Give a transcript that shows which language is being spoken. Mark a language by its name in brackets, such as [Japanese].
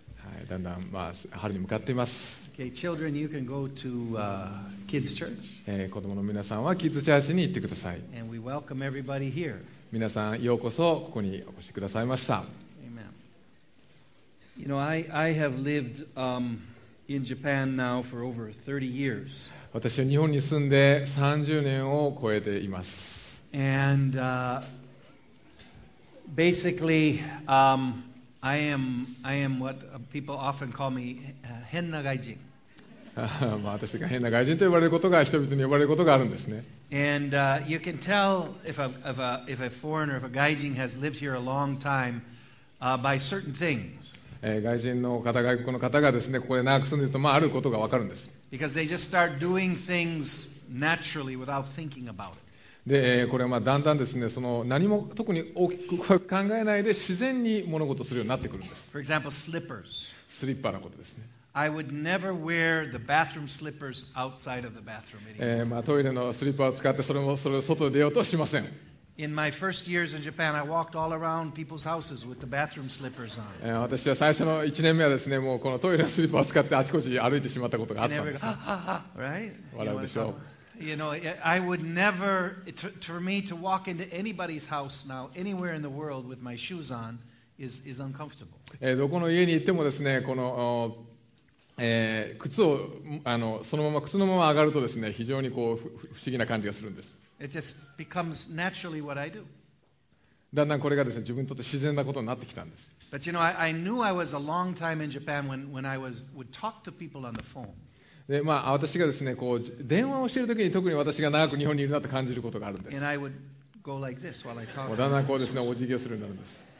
[Japanese] はい、だんだん、まあ、春に向かっています。 [English] Okay, children, you can go to, kids church. [Japanese] 子供の皆さんはキッズチャーシーに行ってください。 [English] And we welcome everybody here. [Japanese] 皆さん、ようこそここにお越しくださいました。 [English] Amen. You know, I have lived, in Japan now for over 30 years. [Japanese] 私は日本に住んで30年を超えています。 [English] And, basically, I am what people often call me, [Japanese] 変な外人。まあ私が変な外人と呼ばれることが人々に呼ばれることがあるんですね。 [English] And you can tell if a foreigner, if a 外人 has lived here a long time, by certain things. [Japanese] 外人の方、外国の方がですね、ここで長く住んでいると、まああることがわかるんです。 [English] Because they just start doing things naturally without thinking about it. [Japanese] でこれはまあだんだんですね、その何も特に大きく考えないで自然に物事をするようになってくるんです。 [English] For example, slippers. [Japanese] スリッパのことですね。 [English] I would never wear the bathroom slippers outside of the bathroom anymore. [Japanese] まあトイレのスリッパを使ってそれを外に出ようとしません。 [English] In my first years in Japan, I walked all around people's houses with the bathroom slippers on. [Japanese] 私は最初の1年目はですね、もうこのトイレのスリッパを使ってあちこち歩いてしまったことがあったんです。 [English] Right? [Japanese] 笑うでしょう。 [English] You know, I would never, for me to walk into anybody's house now, anywhere in the world with my shoes on, is uncomfortable. [Japanese] どこの家に行ってもですね、この、靴をそのまま上がるとですね、非常にこう不思議な感じがするんです。 [English] It just becomes naturally what I do. [Japanese] だんだんこれがですね、自分にとって自然なことになってきたんです。 [English] But you know, I knew I was a long time in Japan when I would talk to people on the phone. [Japanese] でまあ、私がですね、こう電話をしているときに特に私が長く日本にいるなと感じることがあるんです。 [English] Like、 [Japanese] もうだんだんこうですね、お辞儀をするようになるんです。